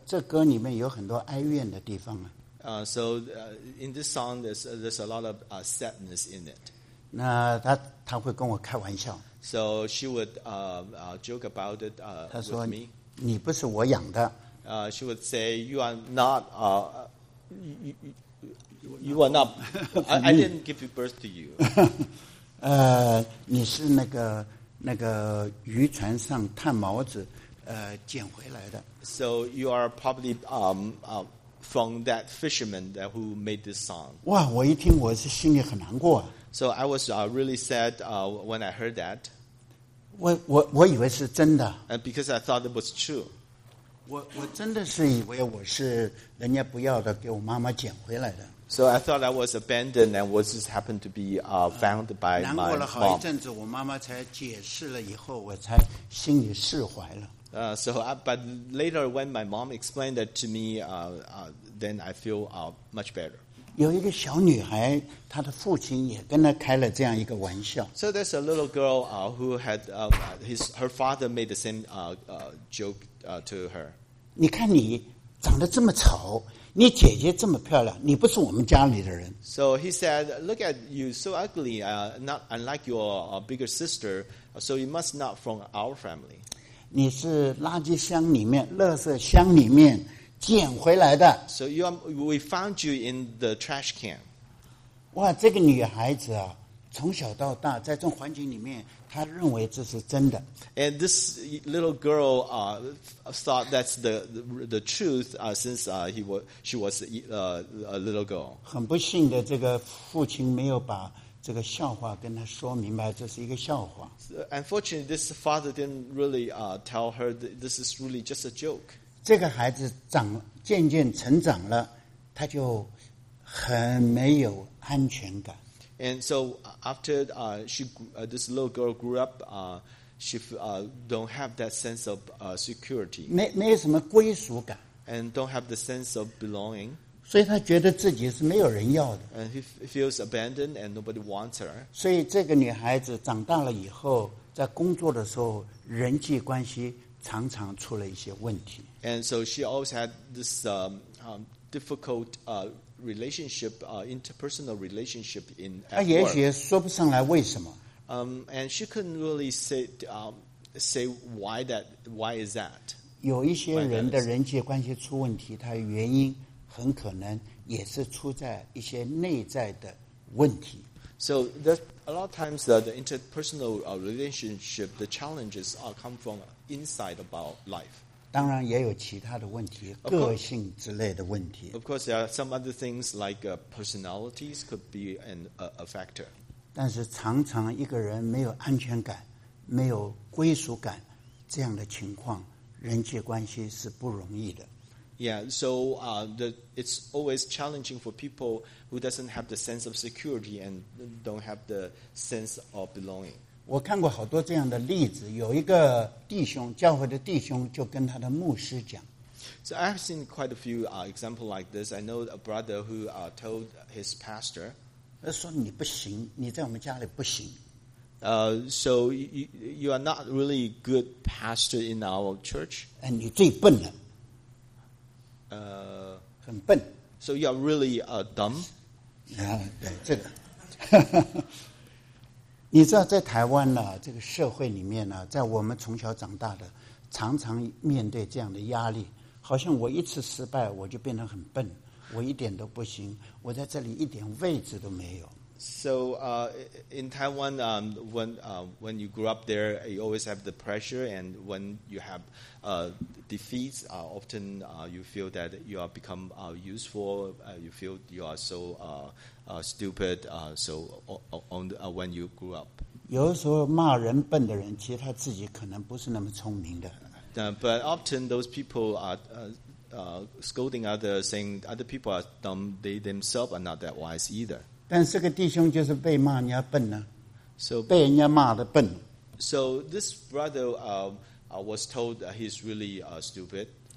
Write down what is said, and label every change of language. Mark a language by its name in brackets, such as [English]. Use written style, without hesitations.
[Chinese] 这歌里面有很多哀怨的地方啊。 [English] In this song, there's a lot of sadness in it. [Chinese] 那她会跟我开玩笑。 [English] So she would joke about it with me. [Chinese] 你不是我养的。 [English] She would say, "You are not you are not. I didn't give birth to you." [Chinese] 你是那个渔船上探锚子捡回来的。 [English] So you are probably from that fisherman that who made this song. [Chinese] 哇，我一听我是心里很难过。 [English] So I was really sad when I heard that. [Chinese] 我以为是真的。 [English] Because I thought it was true. [Chinese] 我真的是以为我是人家不要的，给我妈妈捡回来的。 [English] So I thought I was abandoned and was just happened to be found by my mom. [Chinese] 难过了好一阵子，我妈妈才解释了以后，我才心里释怀了。 [English] But later when my mom explained that to me, then I feel much better. [Chinese] 有一个小女孩，她的父亲也跟她开了这样一个玩笑。 [English] So there's a little girl who had her father made the same joke to her. [Chinese] 你看你长得这么丑。你姐姐这么漂亮，你不是我们家里的人。 [English] So he said, "Look at you, so ugly. Not unlike your bigger sister. So you must not from our family." [Chinese] 你是垃圾箱里面、垃圾箱里面捡回来的。 [English] So we found you in the trash can. [Chinese] 哇，这个女孩子啊，从小到大在这种环境里面，她认为这是真的。 [English] And this little girl thought that's the truth since she was a little girl. [Chinese] 很不幸的，这个父亲没有把这个笑话跟她说明白，这是一个笑话。 [English] Unfortunately, this father didn't really tell her that this is really just a joke. [Chinese] 这个孩子渐渐成长了，他就很没有安全感。 [English] And so after this little girl grew up, she don't have that sense of security. [Chinese] 没什么归属感。 [English] And don't have the sense of belonging. [Chinese] 所以她觉得自己是没有人要的。 [English] And she feels abandoned and nobody wants her. [Chinese] 所以这个女孩子长大了以后，在工作的时候，人际关系常常出了一些问题。 [English] And so she always had this difficult relationship, interpersonal relationship in at work. [Chinese] 她也许说不上来为什么。 [English] And she couldn't really say say why that why is that. [Chinese] 有一些人的人际关系出问题，他原因很可能也是出在一些内在的问题。 [English] So a lot of times the interpersonal relationship, the challenges are come from inside about life. [Chinese] 当然也有其他的问题，个性之类的问题。 [English] Of course, there are some other things like personalities could be a factor. [Chinese] 但是常常一个人没有安全感，没有归属感，这样的情况，人际关系是不容易的。 [English] Yeah, so it's always challenging for people who doesn't have the sense of security and don't have the sense of belonging. [Chinese] 我看过好多这样的例子，有一个弟兄，教会的弟兄就跟他的牧师讲。 [English] So I've seen quite a few examples like this. I know a brother who told his pastor. [Chinese] 说你不行，你在我们家里不行。 [English] So you are not really a good pastor in our church. [Chinese] And 你最笨了。很笨。 [English] So you are really dumb. [Chinese] 啊，对这个。你知道，在台湾呢，这个社会里面呢，在我们从小长大的，常常面对这样的压力，好像我一次失败，我就变得很笨，我一点都不行，我在这里一点位置都没有。 [English] So in Taiwan, when you grew up there, you always have the pressure, and when you have defeats, often you feel that you have become useful. You feel you are so stupid. So when you grew up, [Chinese] 有时候骂人笨的人，其实他自己可能不是那么聪明的。 [English] But often those people are scolding others, saying other people are dumb. They themselves are not that wise either. [Chinese] 但这个弟兄就是被骂人家笨呢、啊、，so 被人家骂的笨。 [English] So this brother was told that he's really stupid.